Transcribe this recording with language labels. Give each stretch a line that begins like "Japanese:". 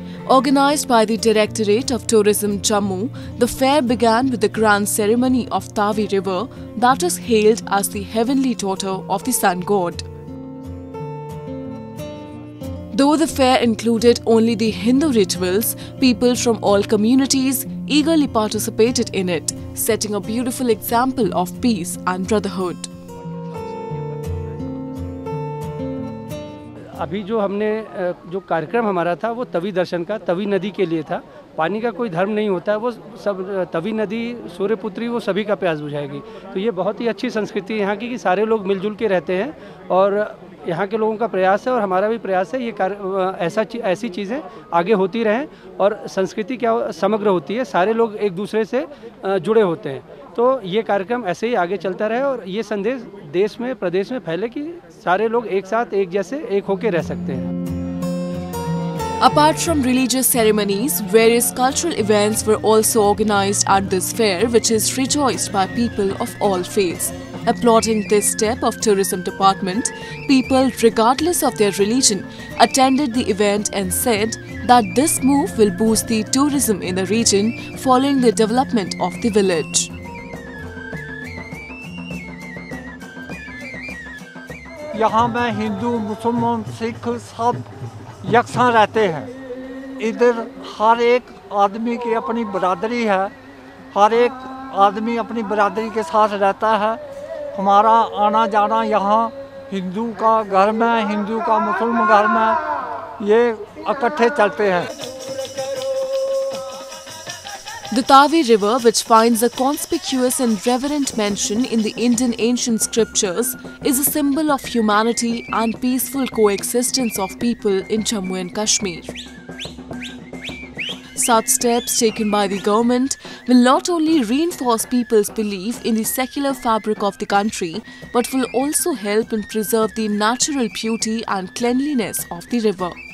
English: Organized by the Directorate of Tourism Jammu, the fair began with the grand ceremony of Tawi River that is hailed as the heavenly daughter of the sun god. Though the fair included only the Hindu rituals, people from all communities eagerly participated in it, setting a beautiful example of peace and brotherhood.
Hindi: अभी जो हमने जो कार्यक्रम हमारा था वो तवी दर्शन का, तवी नदी के लिए था। पानी का कोई धर्म नहीं होता है, वो सब तवी नदी सूर्यपुत्री वो सभी का प्यास बुझाएगी। तो ये बहुत ही अच्छी संस्कृति है यहाँ की कि सारे लोग मिलजुल के रहते हैं और यहाँ के लोगों का प्रयास है और हमारा भी प्रयास है ये ऐसी चीज़ें आगे होती रहें और संस्कृति क्या समग्र होती है, सारे लोग एक दूसरे से जुड़े होते हैं। तो ये कार्यक्रम ऐसे ही आगे चलता रहे और ये संदेश देश में प्रदेश में फैले कि सारे लोग एक साथ एक जैसे एक होके रह सकते हैं।
English: Apart from religious ceremonies, various cultural events were also organized at this fair, which is rejoiced by people of all faiths. Applauding this step of tourism department, people, regardless of their religion, attended the event and said that this move will boost the tourism in the region following the development of the village.
Hindi: यहाँ मैं हिंदू मुसलमान सिख सब यकसां रहते हैं इधर हर एक आदमी की अपनी बरादरी है हर एक आदमी अपनी बरादरी के साथ रहता है हमारा आना जाना यहाँ हिंदू का घर में हिंदू का मुसलमान घर में ये इकट्ठे चलते हैं
English: The Tawi River, which finds a conspicuous and reverent mention in the Indian ancient scriptures, is a symbol of humanity and peaceful coexistence of people in Jammu and Kashmir. Such steps taken by the government will not only reinforce people's belief in the secular fabric of the country, but will also help in preserve the natural beauty and cleanliness of the river.